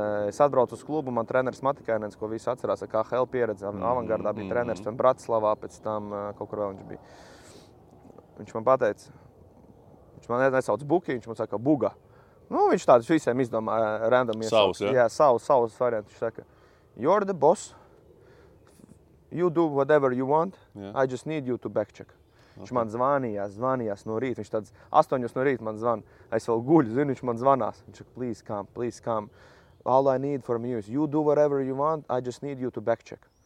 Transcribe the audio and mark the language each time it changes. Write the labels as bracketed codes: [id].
[lv] Es atbraucu uz klubu, man treneris Matikainens, ko visi atcerās, kā HL pieredze, avangardā bija treneris, ten Bratislavā, pēc tam kaut kur vēl viņš bija. Viņš man pateica, viņš man nesauc Buki, viņš man saka Buga. Nu, viņš tāds visiem izdomā random iesauks. Savs, ja? Jā, savs variants. Viņš saka, [en] you're the boss, you do whatever you want, I just need you to backcheck. [lv] Viņš man zvanījās no rīta, viņš tāds 8:00 no rīta man zvan, es vēl guļu, zinu, viņš man zvanās. Viņš saka, [en] please come, all I need from you is you do whatever you want, I just need you to backcheck.